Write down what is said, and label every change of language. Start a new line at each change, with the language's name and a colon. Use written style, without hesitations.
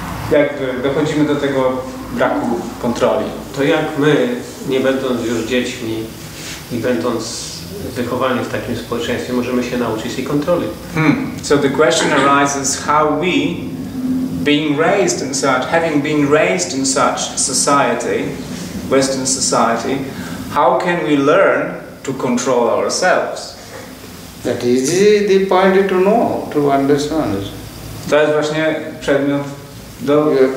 Polish: Jak dochodzimy do tego braku kontroli? To jak my, nie będąc już dziećmi i będąc wychowani w takim społeczeństwie, możemy się nauczyć tej kontroli?
English: So the question arises, how we, being raised in such, having been raised in such society, Western society, how can we learn to control ourselves? That is the point to know, to understand.
Polish: To jest właśnie przedmiot do